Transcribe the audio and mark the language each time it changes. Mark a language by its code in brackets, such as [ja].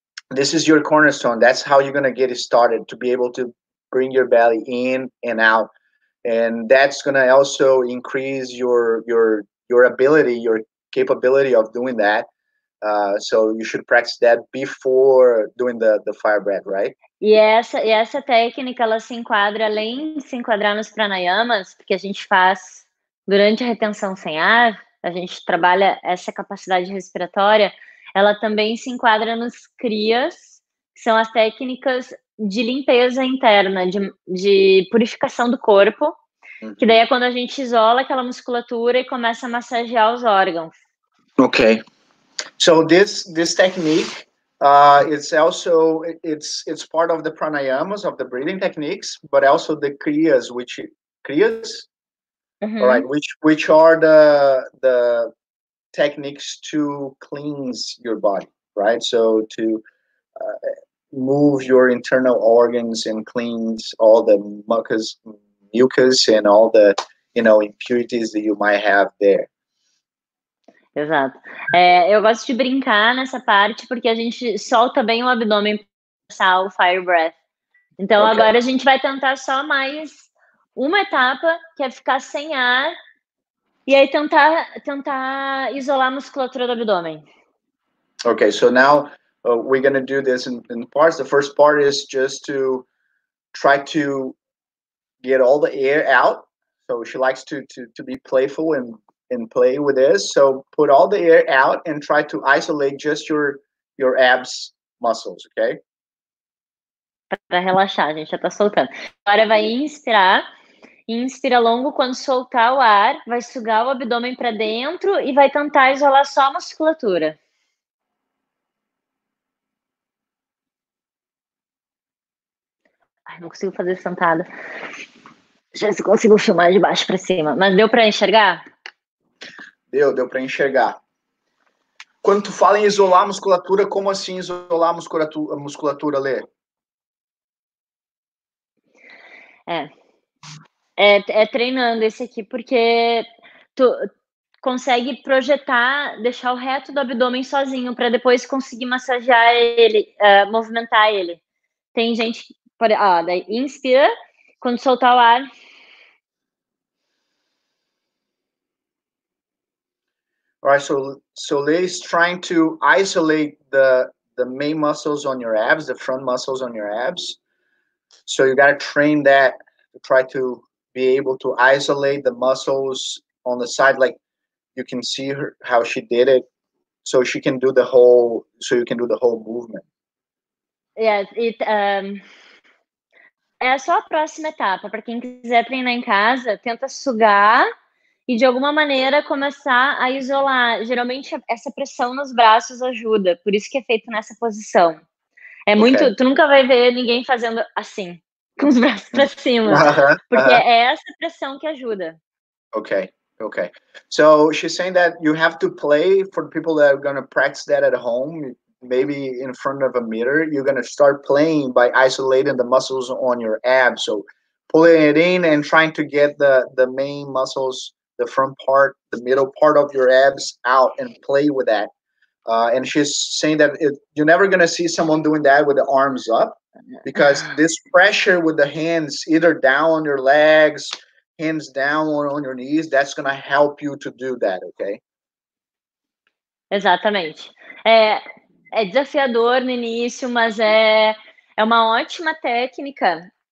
[en] This is your cornerstone. That's how you're going to get it started, to be able to bring your belly in and out. And that's going to also increase your ability, your capability of doing that. So you should practice that before doing the fire breath, right? [pt] E essa técnica, ela se enquadra, além de se enquadrar nos pranayamas, que a gente faz durante a retenção sem ar, a gente trabalha essa capacidade respiratória, ela também se enquadra nos kriyas, que são as técnicas de limpeza interna, de purificação do corpo, que daí é quando a gente isola aquela musculatura e começa a massagear os órgãos. Ok. [en] So this technique, it's also part of the pranayamas, of the breathing techniques, but also the kriyas, mm-hmm. All right, which are the techniques to cleanse your body, right? So to move your internal organs and cleanse all the mucus and all the, you know, impurities that you might have there. [pt] Exato. É, eu gosto de brincar nessa parte porque a gente solta bem o abdômen para passar o fire breath. Então, okay. Agora a gente vai tentar só mais uma etapa, que é ficar sem ar e aí tentar isolar a musculatura do abdômen. [en] Ok, so now we're going to do this in parts. The first part is just to try to get all the air out. So she likes to be playful and play with this, so put all the air out and try to isolate just your abs muscles, okay? [pt] Para relaxar, a gente já tá soltando. Agora vai inspirar, inspira longo, quando soltar o ar, vai sugar o abdômen para dentro e vai tentar isolar só a musculatura. Ai, não consigo fazer sentada. Já se consigo filmar de baixo para cima, mas deu para enxergar? Deu para enxergar. Quando tu fala em isolar a musculatura, como assim isolar a musculatura, Lê? É treinando esse aqui, porque tu consegue projetar, deixar o reto do abdômen sozinho, para depois conseguir massagear ele, movimentar ele. Tem gente que inspira, quando soltar o ar... [en] All right, so Lei is trying to isolate the main muscles on your abs, the front muscles on your abs. So you got to train that to try to be able to isolate the muscles on the side. Like you can see how she did it, so she can do the whole. So you can do the whole movement. [pt] Yeah, é só a próxima etapa. Para quem quiser treinar em casa, tenta sugar. E de alguma maneira começar a isolar. Geralmente essa pressão nos braços ajuda. Por isso que é feito nessa posição. É muito. Okay. Tu nunca vai ver ninguém fazendo assim, com os braços para cima. Porque é essa pressão que ajuda. Ok. [en] So she's saying that you have to play for people that are going to practice that at home, maybe in front of a mirror. You're going to start playing by isolating the muscles on your abs. So pulling it in and trying to get the main muscles. The front part, the middle part of your abs out and play with that. And she's saying that you're never going to see someone doing that with the arms up, because this pressure with the hands either down on your legs, hands down or on your knees, that's going to help you to do that, okay? [pt] Exatamente. É desafiador no início, mas é uma ótima técnica.